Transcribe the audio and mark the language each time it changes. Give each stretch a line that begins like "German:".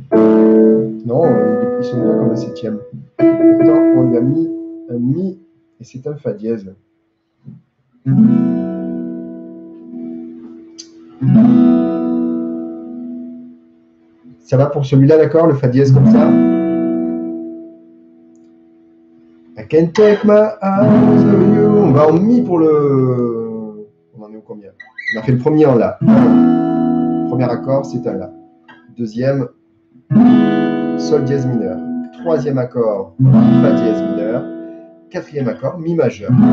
French: Non, ils sont là comme un septième. Pourtant, on lui a mis un mi et c'est un fa dièse. Ça va pour celui-là, d'accord, le fa dièse comme ça.
English: I can't take my eyes off you.
French: On va en mi pour le... On en est au combien? On a fait le premier en la. Premier accord, c'est un la. Deuxième, sol dièse mineur. Troisième accord, fa dièse mineur. Quatrième accord, mi majeur.